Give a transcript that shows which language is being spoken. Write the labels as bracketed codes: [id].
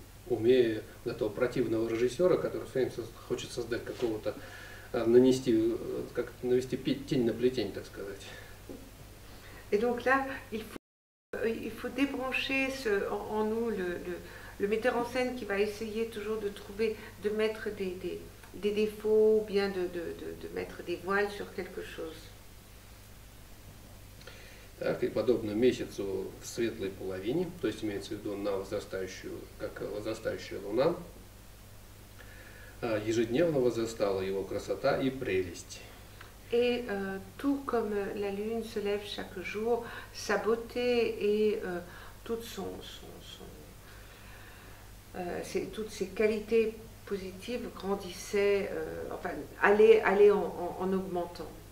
[ru] Умея этого противного режиссера, который всё время хочет создать какого-то, нанести, как навести тень на плетень, так сказать. [fr] Et donc là, il faut débrancher en nous le metteur en scène qui va essayer toujours de trouver, de mettre des défauts ou bien de mettre des voiles sur quelque chose. [ru] Так, и подобно месяцу в светлой половине, то есть имеется в виду на возрастающую, как возрастающая луна, ежедневно возрастала его красота и прелесть. [fr] Et tout comme la lune se lève chaque jour, sa beauté et toutes ses qualités positives grandissaient, enfin allaient en augmentant.